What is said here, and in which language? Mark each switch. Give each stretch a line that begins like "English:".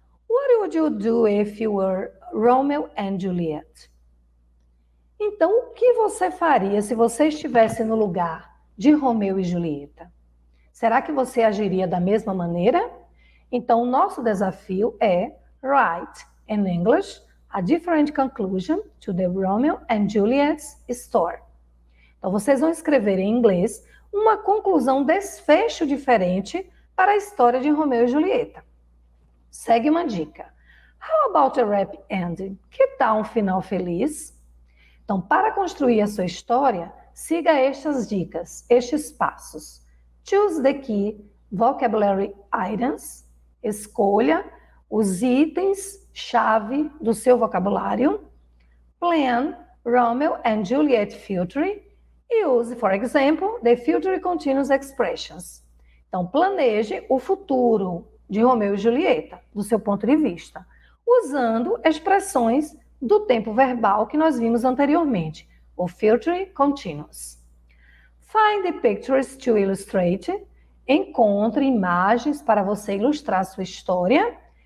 English: What would you do if you were Romeo and Juliet?
Portuguese: Então, o que você faria se você estivesse no lugar de Romeu e Julieta? Será que você agiria da mesma maneira? Então, o nosso desafio é
English: write in English a different conclusion to the Romeo and Juliet's story.
Portuguese: Então, vocês vão escrever em inglês uma conclusão desfecho diferente para a história de Romeu e Julieta. Segue uma dica.
English: How about a happy ending?
Portuguese: Que tal um final feliz? Então, para construir a sua história, siga estas dicas, estes passos.
English: Choose the key vocabulary items.
Portuguese: Escolha os itens-chave do seu vocabulário.
English: Plan Romeo and Juliet future.
Portuguese: E use,
English: for example, the future continuous expressions.
Portuguese: Então, planeje o futuro de Romeo e Julieta, do seu ponto de vista, usando expressões do tempo verbal que nós vimos anteriormente, o future continuous.
English: Find the pictures to illustrate.
Portuguese: Encontre imagens para você ilustrar sua história.